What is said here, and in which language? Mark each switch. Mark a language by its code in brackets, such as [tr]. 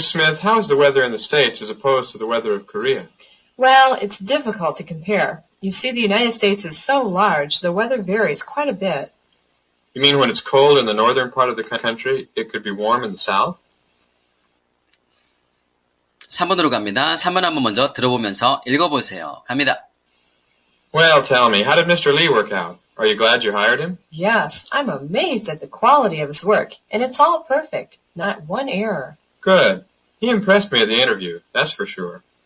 [en] Smith, how is the weather in the States as opposed to the weather of Korea? Well, it's difficult to compare. You see, the United States is so large, the weather varies quite a bit. You mean when it's cold in the northern part of the country, it could be warm in the south? [ko] 3번으로 갑니다. 3번 한번 먼저 들어보면서 읽어보세요. 갑니다. [en] Well, tell me, how did Mr. Lee work out? Are you glad you hired him? Yes, I'm amazed at the quality of his work, and it's all perfect, not one error. Good. He impressed me at the interview, that's for sure.